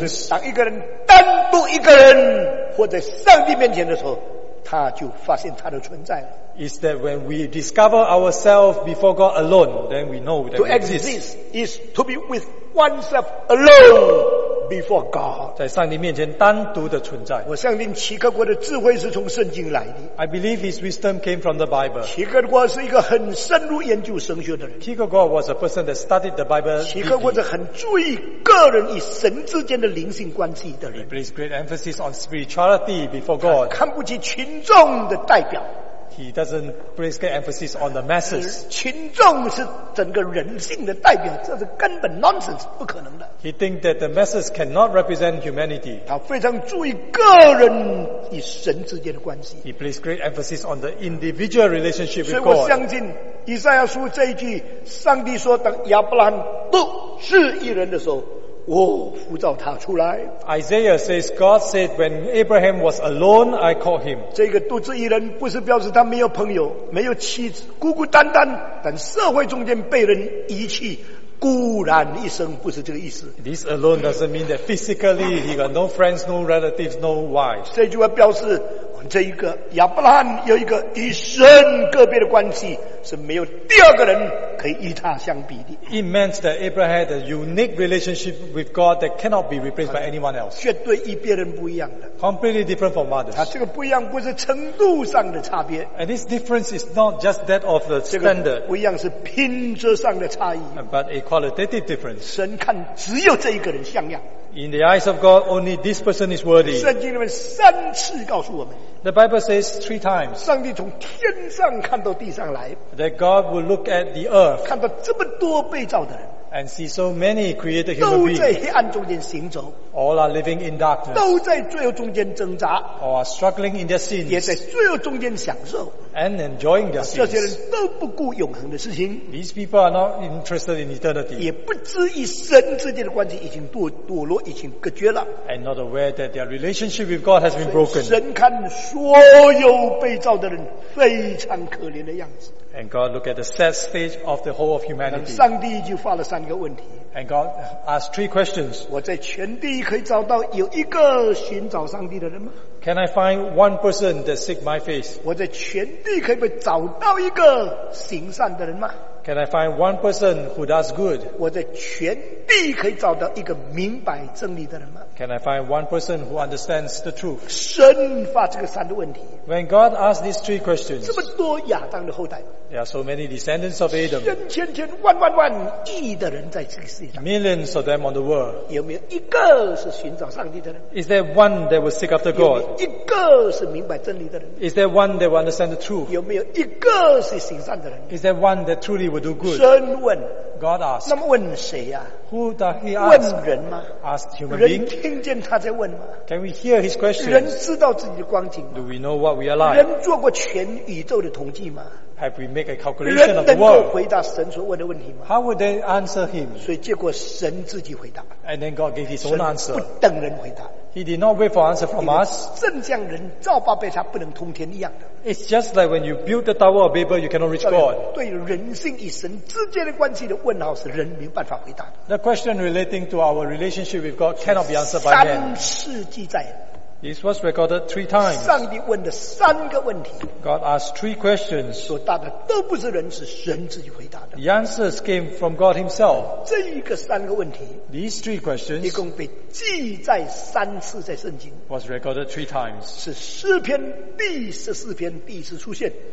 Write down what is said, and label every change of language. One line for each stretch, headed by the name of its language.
Chinese: 就是当一个人单独一个人活在上帝面前的时候，他就发现他的存在了。
English: Is that when we discover ourselves before God alone, then we know that to we exist. To exist is to be with oneself alone before God.
Chinese: 在上帝面前单独的存在。我相信齐克果的智慧是从圣经来的。
English: I believe his wisdom came from the Bible.
Chinese: 齐克果是一个很深入研究神学的人。
English: Kierkegaard was a person that studied the Bible.
Chinese: 齐克果是很注意个人与神之间的灵性关系的人。
English: He placed great emphasis on spirituality before God.
Chinese: 他看不起群众的代表。
English: He doesn't place great emphasis on the masses.
Chinese: 群众是整个人性的代表，这是根本 nonsense， 不可能的。
English: He thinks that the masses cannot represent humanity.
Chinese: 他非常注意个人与神之间的关系。
English: He places great emphasis on the individual relationship with God.
Chinese: 所以我相信以赛亚书这一句，上帝说等亚伯兰独自一人的时候，我呼召他出来。
English: Isaiah says God said when Abraham was alone I called him.
Chinese: 这个独自一人不是表示他没有朋友没有妻子孤孤单单，但社会中间被人遗弃孤然一生，不是这个意思。
English: This alone doesn't mean that physically he got no friends, no relatives, no wives.
Chinese: 这句话表示这一个亚伯拉罕有一个与神个别的关系，是没有第二个人可以与他相比的。
English: It means that Abraham had a unique relationship with God that cannot be replaced by anyone else.
Chinese: 绝对与别人不一样的。
English: Completely different from others.
Chinese: 他这个不一样不是程度上的差别。
English: And this difference is not just that of the standard.
Chinese: 这个不一样是品质上的差异。
English: But a qualitative difference.
Chinese: 神看只有这一个人像样。
English: In the eyes of God, only this person is worthy.
Chinese: 圣经里面三次告诉我们。
English: The Bible says three times.
Chinese: 上帝从天上看到地上来。
English: That God will look at the earth.
Chinese: 看到这么多被造的人。
English: And see so many created human beings.
Chinese: 都在黑暗中间行走。
English: All are living in darkness.
Chinese: 都在罪恶中间挣扎。
English: All are struggling in their sins.
Chinese: 也在罪恶中间享受。
English: And enjoying their sins.
Chinese: 这些人都不顾永恒的事情。
English: These people are not interested in eternity.
Chinese: 也不知与神之间的关系已经堕落，已经隔绝了。
English: And not aware that their relationship with God has been broken.
Chinese: 神看所有被造的人非常可怜的样子。
English: And God look at the sad state of the whole of humanity.
Chinese: 上帝就发了三三个问题。
English: And God asked three questions.
Chinese: 我在全地可以找到有一个寻找上帝的人吗？
English: Can I find one person that seek my face?
Chinese: 我在全地可以找到一个行善的人吗？
English: Can I find one person who does good?
Chinese: 我在全地可以找到一个明白真理的人吗？
English: Can I find one person who understands the truth?
Chinese: 神发这个三个问题。
English: When God asked these three questions,
Chinese: 这么多亚当的后代。
English: There are so many descendants of Adam.
Chinese: 千千千万万万亿的人在这个世界上。
English: Millions of them on the world.
Chinese: 有没有一个是寻找上帝的人？
English: Is there one that will seek after God?
Chinese: 有没有一个是明白真理的人？
English: Is there one that will understand the truth?
Chinese: 有没有一个是行善的人？
English: Is there one that truly will do good?
Chinese: 神问。
English: God asked.
Chinese: 那么问谁啊？
English: Who does he ask?
Chinese: 问人吗？
English: Asked human
Chinese: being. 人听见他在问吗？
English: Can we hear his questions?
Chinese: 人知道自己的光景吗？
English: Do we know what we are like?
Chinese: 人做过全宇宙的统计吗？
English: Have we made a calculation of the world?
Chinese: 人能够回答神所问的问题吗？
English: How would they answer him?
Chinese: 所以结果神自己回答。
English: And then God gave his own answer.
Chinese: 神不等人回答。
English: He did not wait for answer from us.
Chinese: 正像人造巴别塔不能通天一样的。
English: It's just like when you build the Tower of Babel, you cannot reach God.
Chinese: 对人性与神之间的关系的问号是人没有办法回答的。
English: The question relating to our relationship with God cannot be answered by man.
Chinese: 三次记载。
English: This was recorded three times.
Chinese: 上帝问的三个问题。
English: God asked three questions.
Chinese: 所答的都不是人，是神自己回答的。
English: The answers came from God Himself.
Chinese: 这一个三个问题。
English: These three questions.
Chinese: 一共被记载三次在圣经。
English: Was recorded three times.
Chinese: 是诗篇第十四篇第一次出现。